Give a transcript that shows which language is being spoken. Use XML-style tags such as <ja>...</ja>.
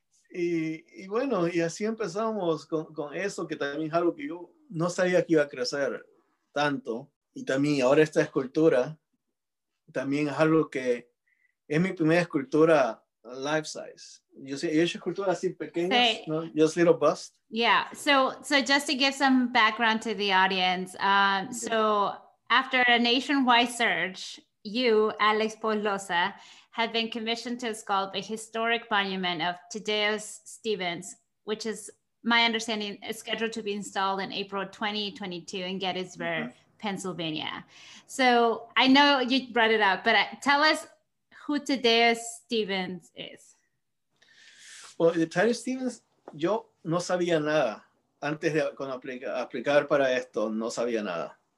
<es>Y bueno, y así empezamos con eso, que también es algo que yo no sabía que iba a crecer tanto. Y también ahora esta escultura también es algo que es mi primera escultura life size. Yo he hecho esculturas así pequeñas, hey. ¿No?</es> <en>Just little bust. Yeah, so just to give some background to the audience. So after a nationwide search, you, Alex Polosa, had been commissioned to sculpt a historic monument of Thaddeus Stevens, which is, my understanding, is scheduled to be installed in April 2022 in Gettysburg, mm-hmm. Pennsylvania. So I know you brought it up, but tell us who Thaddeus Stevens is. Well,</en> <es>Thaddeus Stevens, yo no sabía nada. Antes de aplicar para esto, no sabía nada.</es>